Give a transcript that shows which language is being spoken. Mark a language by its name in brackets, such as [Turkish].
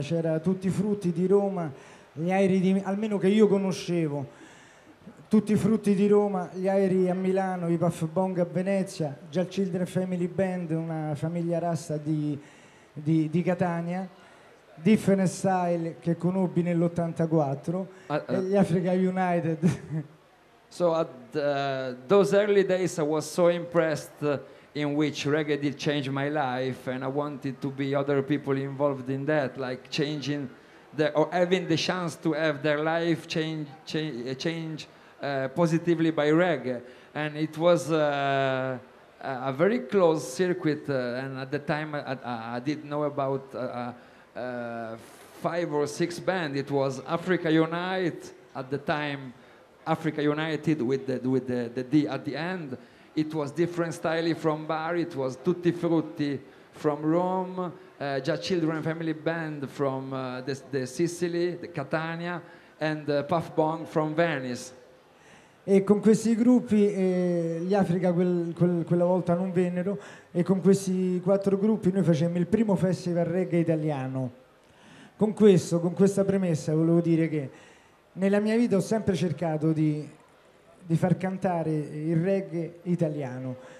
[Italian] C'era Tutti i Frutti di Roma, gli Aerei di, almeno che io conoscevo, Tutti i Frutti di Roma, gli Aerei a Milano, i Puff Bong a Venezia, già il Children Family Band, una famiglia rasta di Catania, Different Style che conobbi nell'84, gli Africa United. [English] So at those early days I was so impressed in which reggae did change my life, and I wanted to be other people involved in that, like changing the, or having the chance to have their life change positively by reggae. And it was a very close circuit, and at the time I did know about 5 or 6 band. It was Africa Unite, at the time Africa United with the D at the end. It was Different Style from Bari, it was Tutti Frutti from Rome, Già Children Family Band from the Sicily, the Catania, and Puff Bong from Venice. [Italian] E con questi gruppi, gli Africa quella volta non vennero, e con questi 4 gruppi noi facemmo il primo festival reggae italiano. Con questa premessa volevo dire che nella mia vita ho sempre cercato di far cantare il reggae italiano.